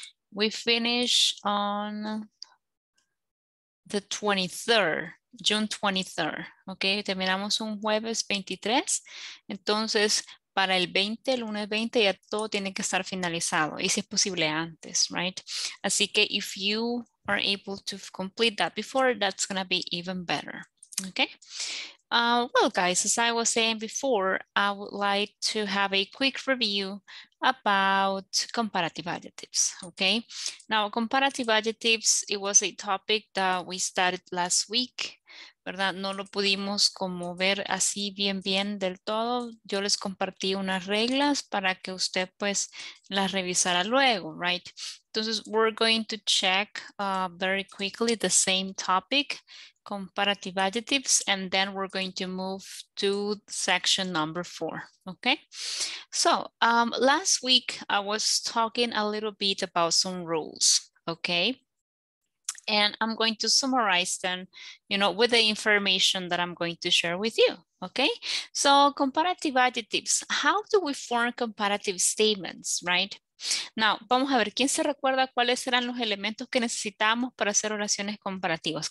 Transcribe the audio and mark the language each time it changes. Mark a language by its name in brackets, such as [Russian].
[English] We finish on the 23rd, June 23rd, ¿ok? [Spanish] Terminamos un jueves 23, entonces, para el 20, el lunes 20, ya todo tiene que estar finalizado, y si es posible antes, right? [English] Así que if you are able to complete that before, that's going to be even better, okay? Well, guys, as I was saying before, I would like to have a quick review about comparative adjectives, okay? Now, comparative adjectives, it was a topic that we started last week, ¿verdad? [Spanish] No lo pudimos como ver así bien bien del todo. Yo les compartí unas reglas para que usted pues las revisara luego, right? [English] Entonces, we're going to check very quickly the same topic, comparative adjectives, and then we're going to move to section number 4, okay? So, last week I was talking a little bit about some rules, okay? And I'm going to summarize them, you know, with the information that I'm going to share with you, okay? So comparative adjectives, how do we form comparative statements, right? [Spanish] Now, vamos a ver, ¿quién se recuerda cuáles eran los elementos que necesitábamos para hacer oraciones comparativas?